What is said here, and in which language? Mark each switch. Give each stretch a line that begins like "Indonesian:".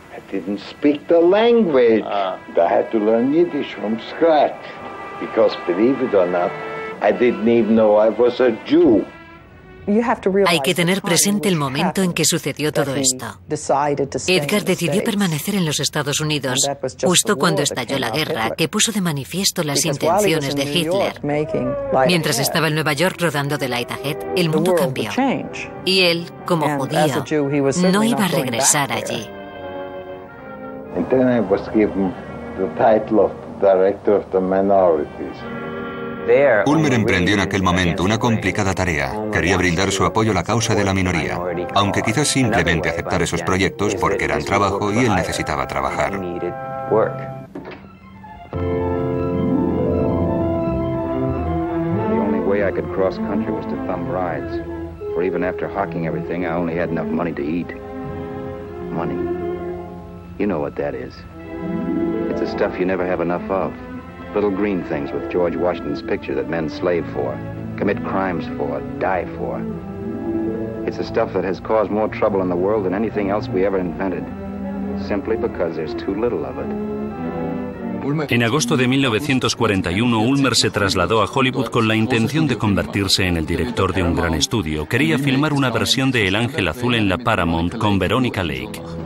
English: I didn't speak the language. I had to learn Yiddish from scratch. Because, believe it or not, I didn't even know I was a Jew.
Spanish: Hay que tener presente el momento en que sucedió todo esto. Edgar decidió permanecer en los Estados Unidos justo cuando estalló la guerra, que puso de manifiesto las intenciones de Hitler. Mientras estaba en Nueva York rodando The Light Ahead, el mundo cambió. Y él, como judío, no iba a regresar allí.
English: And then I was given the title of director of the minorities.
Spanish: Ulmer emprendió en aquel momento una complicada tarea. Quería brindar su apoyo a la causa de la minoría, aunque quizás simplemente aceptar esos proyectos porque eran trabajo y él necesitaba trabajar.
English: It's the stuff you never have enough of. Little green things with George Washington's picture that men slave for, commit crimes for, die for. It's the stuff that has caused more trouble in the world than anything else we ever invented, simply because there's too little of it.
Spanish: En agosto de 1941, Ulmer se trasladó a Hollywood con la intención de convertirse en el director de un gran estudio. Quería filmar una versión de El Ángel Azul en la Paramount con Veronica Lake.